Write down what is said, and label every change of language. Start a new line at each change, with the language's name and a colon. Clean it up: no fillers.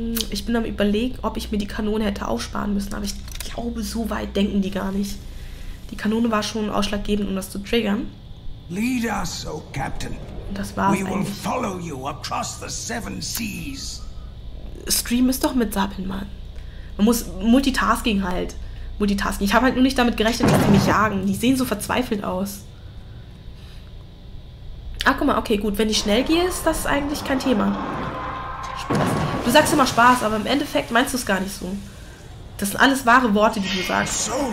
German: Ich bin am Überlegen, ob ich mir die Kanone hätte aufsparen müssen. Aber ich glaube, so weit denken die gar nicht. Die Kanone war schon ausschlaggebend, um das zu triggern.
English: Lead us, O Captain.
German: Das war's eigentlich.
English: We will follow you across the seven seas.
German: Stream ist doch mit Sabin, Mann. Man muss Multitasking halt. Multitasking. Ich habe halt nur nicht damit gerechnet, dass die mich jagen. Die sehen so verzweifelt aus. Ach, guck mal, okay, gut. Wenn ich schnell gehe, ist das eigentlich kein Thema. Spaß. Du sagst immer Spaß, aber im Endeffekt meinst du es gar nicht so. Das sind alles wahre Worte, die du sagst.